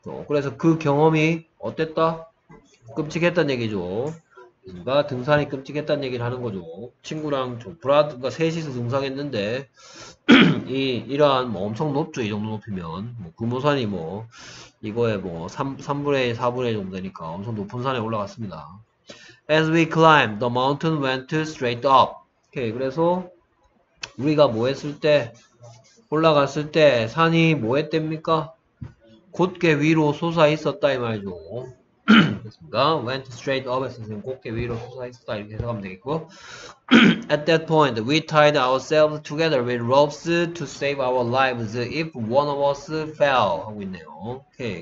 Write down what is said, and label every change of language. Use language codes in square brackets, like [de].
[ko] 그래서 그 경험이 어땠다? 끔찍했단 얘기죠. 뭔가 등산이 끔찍했단 얘기를 하는 거죠. 친구랑 저 브라드가 셋이서 등산했는데 이러한 뭐 엄청 높죠. 이 정도 높이면 뭐 금호산이 뭐 이거에 뭐 3분의 1, 4분의 1 정도 되니까 엄청 높은 산에 올라갔습니다. [en] As we climbed, the mountain went straight up. [ko] 오케이. 그래서 우리가 뭐 했을 때 올라갔을 때 산이 뭐 했답니까? 곧게 위로 솟아 있었다 이 말이죠. 됐습니다. [en] Went straight up [ko] 했으니 곧게 위로 솟아있었다 이렇게 해석하면 되겠고 [en] At that point, we tied ourselves together with ropes to save our lives if one of us fell [ko] 하고 있네요. 오케이.